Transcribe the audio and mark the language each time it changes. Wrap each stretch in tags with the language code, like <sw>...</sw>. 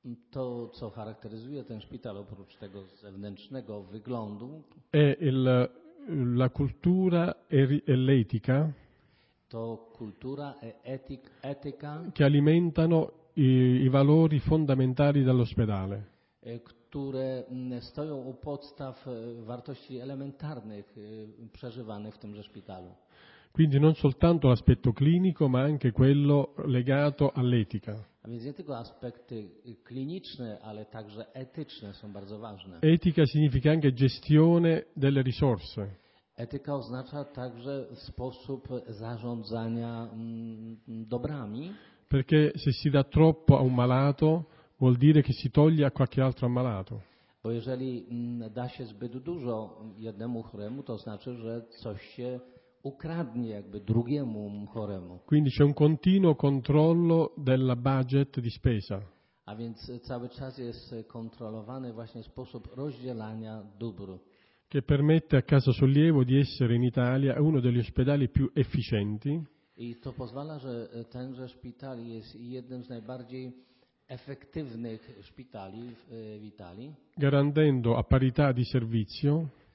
<pl>to co charakteryzuje ten szpital oprócz tego zewnętrznego wyglądu,</pl> <it>è la cultura e l'etica, to cultura e etica che alimentano i valori fondamentali dell'ospedale,</it> <pl>które stoją u podstaw wartości elementarnych przeżywanych w tymże szpitalu.</pl> <it>Quindi non soltanto l'aspetto clinico, ma anche quello legato all'etica.</it> <pl>A więc nie tylko aspekty kliniczne, ale także etyczne są bardzo ważne.</pl> <it>Etica significa anche gestione delle risorse.</it> <pl>Etyka oznacza także sposób zarządzania dobrami.</pl> <it>Perché se si dà troppo a un malato, vuol dire che si toglie a qualche altro ammalato.</it> <pl>Bo jeżeli da się zbyt dużo jednemu chremu, to znaczy, że coś się ukradnie jakby drugiemu choremu.</pl> <it>Quindi c'è un continuo controllo del budget di spesa.</it> <pl>A więc cały czas jest kontrolowany właśnie sposób rozdzielania dóbr.</pl> <it>Che permette a Casa Sollievo di essere in Italia uno degli ospedali più efficienti.</it> <pl>I to pozwala, że tenże szpital jest jednym z najbardziej efektywnych szpitali w Italii.</pl> <it>Garantendo a parità di servizio.</it>